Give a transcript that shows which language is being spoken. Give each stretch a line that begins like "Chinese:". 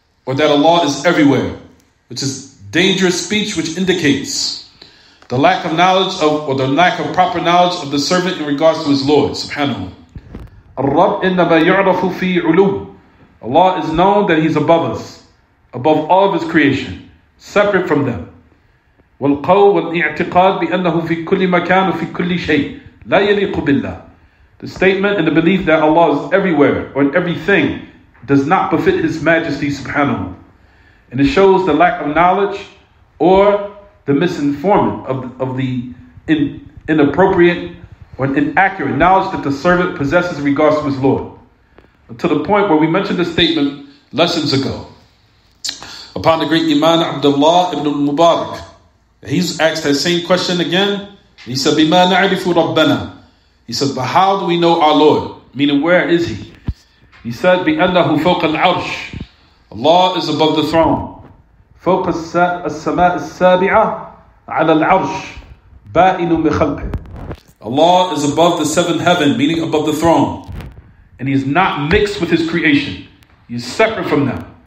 English: Or that Allah is everywhere, which is dangerous speech, which indicates the lack of knowledge of, or the lack of proper knowledge of the servant in regards to his Lord, subhanahu.
Arabic: Al-Rab innama yu'rafu fi ulu.
English: Allah is known that he's above us, above all of his creation, separate from them.
Arabic: والقول والاعتقاد بأنه في كل مكان وفي كل شيء لا يليق بالله.
English: The statement and the belief that Allah is everywhere or in everything does not befit His Majesty Subhanahu. And it shows the lack of knowledge or the misinformation of the inappropriate or inaccurate knowledge that the servant possesses in regards to his Lord. But to the point where we mentioned the statement lessons ago upon the great Imam Abdullah ibn Mubarak. He's asked that same question again. He said,
Arabic: بِمَا نَعْرِفُ رَبَّنَا.
English: He said, but how do we know our Lord? Meaning, where is he? He said,
Arabic: بِأَنَّهُ فَوْقَ الْعَرْشِ.
English: Allah is above the throne.
Arabic: فَوْقَ السَّمَاءِ السَّابِعَةِ عَلَى الْعَرْشِ بَائِنُ مِخَلْقِهِ.
English: Allah is above the seventh heaven, meaning above the throne. And he is not mixed with his creation. He is separate from them.